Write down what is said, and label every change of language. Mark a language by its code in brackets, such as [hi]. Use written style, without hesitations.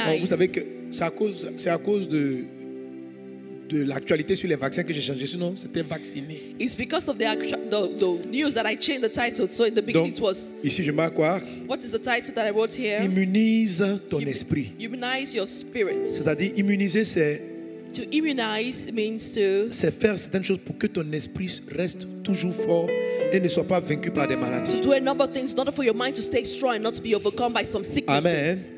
[fr] Bon, vous savez que c'est à cause de l'actualité sur les vaccins que j'ai changé, sinon c'était vacciné. [en] It's because of the news that I changed the title. So in the beginning, [fr] donc, [en] it was. [fr] Ici je marque quoi? [en] What is the title that I wrote here? [fr] Immunise ton esprit. [en] Immunize your spirit. [fr] C'est-à-dire immuniser, c'est. [en] To immunize means to. [fr] C'est faire certaines choses pour que ton esprit reste toujours fort et ne soit pas vaincu par des maladies. [en] To do a number of things in order for your mind to stay strong and not to be overcome by some sicknesses.